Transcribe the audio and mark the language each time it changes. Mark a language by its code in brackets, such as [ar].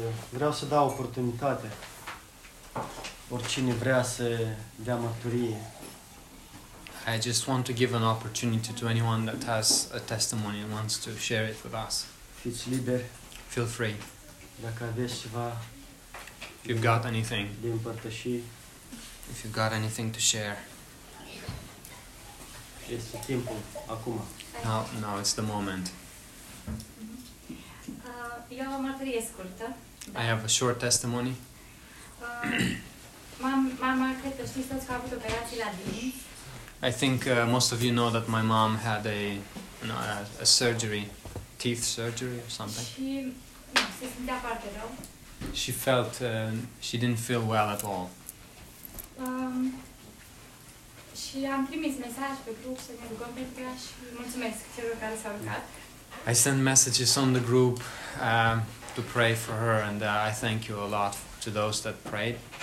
[ro] Vreau să dau oportunitate oricine vrea să dea mărturie. [en] I just want to give an opportunity to anyone that has a testimony and wants to share it with us. [ro] Fiți liber. [en] Feel free. [ro] Dacă aveți ceva. [en] If you've got anything. [ro] De împărtășit. [en] If you've got anything to share. [ro] Este timpul acum. [en] Now it's the moment. [ro] Eu am o mărturie scurtă. [en] I have a short testimony. [ro] Mama, cred că știți toți că a avut operații la dinți. [en] I think most of you know that my mom had a surgery, teeth surgery or something. [ro] Și se simtea foarte rău. [en] She felt she didn't feel well at all. [ro] Și am trimis mesaj pe grup să ne rugăm pentru ea și mulțumesc celor care s-au rugat. [en] I send messages on the group to pray for her, and I thank you a lot to those that prayed.